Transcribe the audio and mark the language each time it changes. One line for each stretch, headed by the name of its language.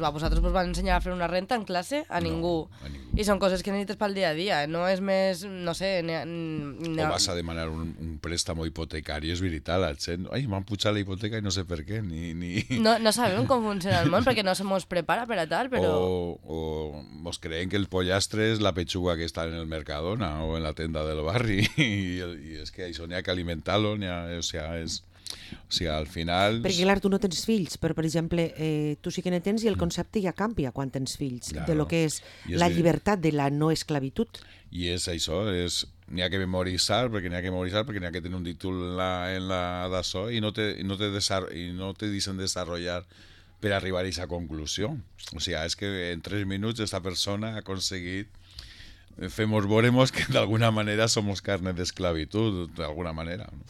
Catalan: Vosaltres vos van ensenyar a fer una renta en classe? A ningú. No, a ningú. I són coses que necessites pel dia a dia. No és més, no sé... O vas a demanar un préstamo hipotecari, és veritat. La gent, ai, m'han pujat la hipoteca i no sé per què. Ni... No sabem com funciona el món perquè no se mos prepara per a tal, però...
Spanish: ¿Vos creen que el pollastre es la pechuga que está en el Mercadona o en la tienda del barri? Y es que eso ni hay que alimentarlo, ni hay, o sea, al final... Porque claro, tú no tienes fills, pero por ejemplo, tú sí que no tienes y el concepto ya cambia cuando tienes fills, claro. De lo que es la libertad de la no esclavitud. Y es eso, es...
Catalan: N'hi ha que memoritzar, perquè n'hi ha que memoritzar, perquè n'hi ha que tenir un títol en la d'això i no te deixen desenvolupar per arribar a aquesta conclusió. O sigui, és que en 3 minuts aquesta persona ha aconseguit fer-nos veure que d'alguna manera som carne d'esclavitud, d'alguna manera.